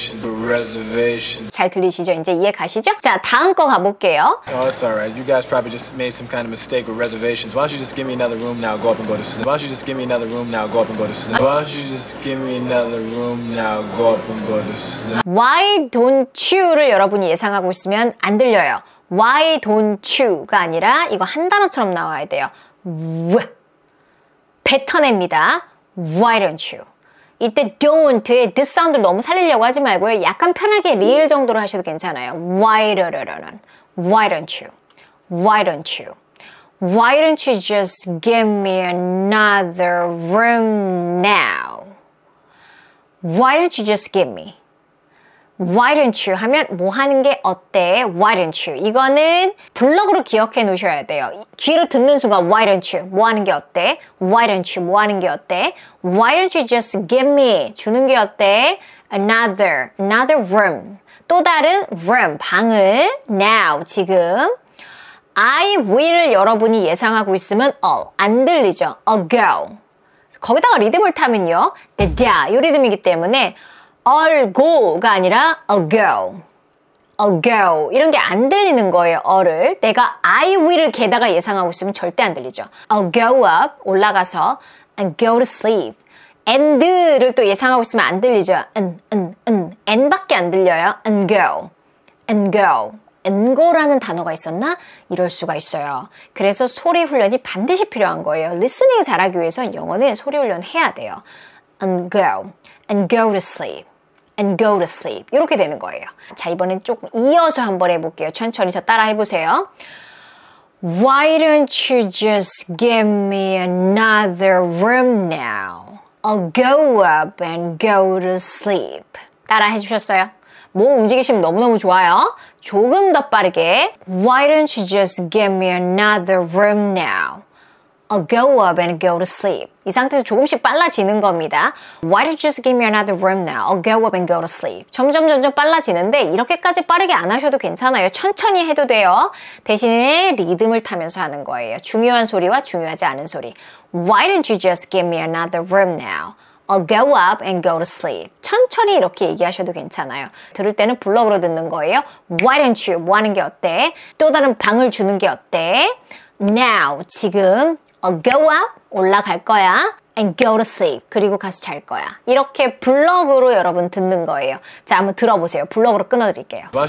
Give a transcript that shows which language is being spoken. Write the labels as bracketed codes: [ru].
[en] You guys probably just made some kind of mistake, reservation. [ko] 잘 들리시죠? 이제 이해 가시죠? 자, 다음 거 가볼게요. [en] Some kind of mistake or reservations. Why don't you just give me another room now, go up and go to sleep? Why don't you [ko] 를 여러분이 예상하고 있으면 안 들려요. [en] Why don't you [ko] 가 아니라 이거 한 단어처럼 나와야 돼요. 왜? 뱉어냅니다. [en] Why don't you? [ko] 이때 don't의 this sound를 너무 살리려고 하지 말고요. 약간 편하게 real 정도로 하셔도 괜찮아요. Why don't you? Why don't you? [en] Why don't you just give me another room now? Why don't you just give me? Why don't you [ko] 하면 뭐 하는 게 어때? [en] Why don't you? [ko] 이거는 블록으로 기억해 놓으셔야 돼요. 귀로 듣는 순간 [en] Why don't you? [ko] 뭐 하는 게 어때? [en] Why don't you? [ko] 뭐 하는 게 어때? [en] Why don't you just give me? [ko] 주는 게 어때? [en] Another room. [ko] 또 다른 room, 방을 now, 지금. [en] I will [ko] 여러분이 예상하고 있으면 all, 안 들리죠? [en] Ago. [ko] 거기다가 리듬을 타면요. 다, 요 리듬이기 때문에 [en] all go [ko] 가 아니라 ago. [en] Ago. [ko] 이런 게 안 들리는 거예요, all을. 내가 [en] I will [ko] 게다가 예상하고 있으면 절대 안 들리죠. [en] Ago up, [ko] 올라가서 [en] and go to sleep. [ko] And를 또 예상하고 있으면 안 들리죠. [en] And밖에 [ko] 안 들려요. [en] And go. And go. And go [ko] 라는 단어가 있었나? 이럴 수가 있어요. 그래서 소리 훈련이 반드시 필요한 거예요. Listening 잘하기 위해서는 영어는 소리 훈련 해야 돼요. [en] And go. And go to sleep. And go to sleep. [ko] 이렇게 되는 거예요. 자, 이번엔 조금 이어서 한번 해볼게요. 천천히 저 따라해보세요. [en] Why don't you just give me another room now? I'll go up and go to sleep. [ko] 따라해 주셨어요? 몸 움직이시면 너무너무 좋아요. 조금 더 빠르게. [en] Why don't you just give me another room now? I'll go up and go to sleep. [ko] 이 상태에서 조금씩 빨라지는 겁니다. [en] Why don't you just give me another room now? I'll go up and go to sleep. [ko] 점점 빨라지는데 이렇게까지 빠르게 안 하셔도 괜찮아요. 천천히 해도 돼요. 대신에 리듬을 타면서 하는 거예요. 중요한 소리와 중요하지 않은 소리. [en] Why don't you just give me another room now? I'll go up and go to sleep. [ko] 천천히 이렇게 얘기하셔도 괜찮아요. 들을 때는 블럭으로 듣는 거예요. [en] Why don't you? [ko] 뭐 하는 게 어때? 또 다른 방을 주는 게 어때? Now, 지금. [en] I'll go up, [ko] 올라갈 거야, [en] and go to sleep, [ko] 그리고 가서 잘 거야. 이렇게 블럭으로 여러분 듣는 거예요. 자, 한번 들어보세요. 블럭으로 끊어드릴게요.